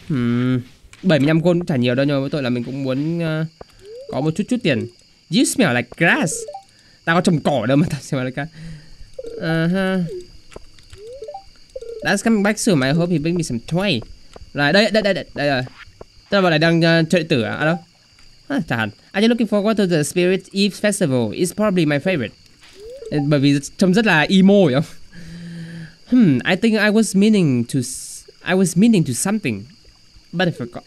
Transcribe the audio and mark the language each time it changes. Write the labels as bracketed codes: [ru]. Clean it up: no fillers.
[vi] 75 gold cũng chả nhiều đâu, nhưng mà với tội là mình cũng muốn có một chút tiền. [en] You smell like grass. [vi] Tao có trồng cỏ đâu mà tao [en] smell like grass. That's coming back soon. I hope he brings me some toy. [vi] Rồi đây. Tức là bọn này đang chơi tử à? À đâu? Chả hẳn. [en] I'm just looking forward to the Spirit Eve Festival. It's probably my favorite. [vi] Bởi vì trông rất là emo vậy không? [en] I think I was meaning to something, but I forgot.